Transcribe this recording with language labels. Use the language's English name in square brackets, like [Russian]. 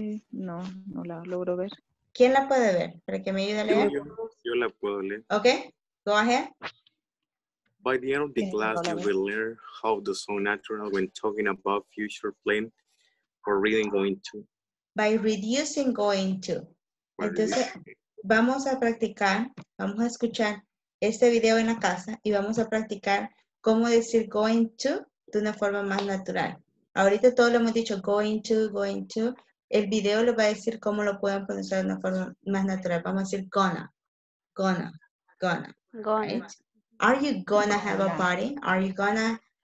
[Spanish] No la logro ver. ¿Quién la puede ver? ¿Para que me ayude a leer? Yo la puedo leer. [English] Okay, go ahead. By the end of the class, you will learn how to sound natural when talking about future plan or reading going to. By reducing going to. [Spanish] Entonces, vamos a practicar, vamos a escuchar este video en la casa y vamos a practicar cómo decir going to de una forma más natural. Ahorita todos lo hemos dicho going to. El video les va a decir cómo lo pueden pronunciar de una forma más natural. Vamos a decir gonna. [English] Gonna. Right? Are you gonna have a party? Are you gonna